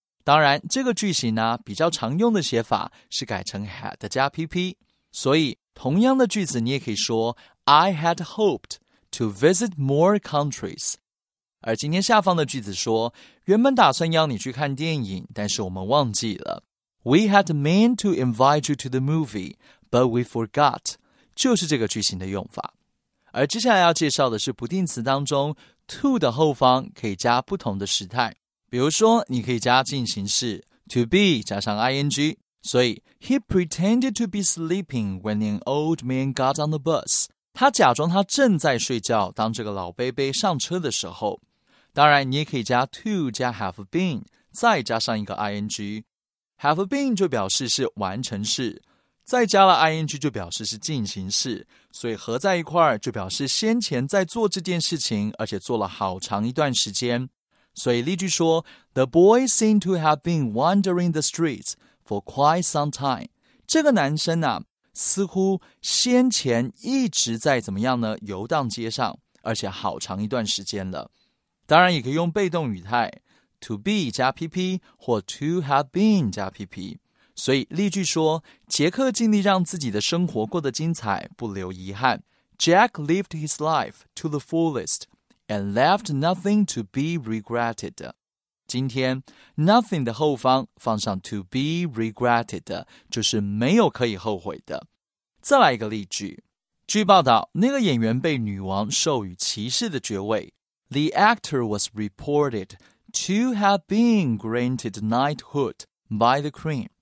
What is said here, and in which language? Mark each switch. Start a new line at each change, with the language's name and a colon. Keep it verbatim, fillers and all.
Chinese: 当然这个句型呢，比较常用的写法是改成 had 加 pp， 所以同样的句子你也可以说
English: I had hoped to visit more countries。
Chinese: 而今天下方的句子说，原本打算邀你去看电影，但是我们忘记了。
English: We had meant to invite you to the movie, but we forgot.
Chinese: 就是这个句型的用法。而接下来要介绍的是不定词当中 to 的后方可以加不同的时态。比如说你可以加进行式
English: to be
Chinese: 加上
English: ing，
Chinese: 所以
English: He pretended to be sleeping when an old man got on the bus.
Chinese: 他假装他正在睡觉，当这个老伯伯上车的时候。当然你也可以加 to 加 have been 再加上一个 ing，Have been 就表示是完成式，再加了 ing 就表示是进行式，所以合在一块儿就表示先前在做这件事情，而且做了好长一段时间。所以例句说
English: The boy seemed to have been wandering the streets for quite some time.
Chinese: 这个男生啊，似乎先前一直在怎么样呢？游荡街上，而且好长一段时间了。当然也可以用被动语态to be 加 pp 或 to have been 加 pp。所以例句说，杰克尽力让自己的生活过得精彩，不留遗憾。
English: Jack lived his life to the fullest and left nothing to be regretted.
Chinese: 今天 nothing 的后方放上
English: to be regretted
Chinese: 就是没有可以后悔的。再来一个例句，据报道那个演员被女王授予骑士的爵位。
English: The actor was reported to have been granted knighthood by the Queen.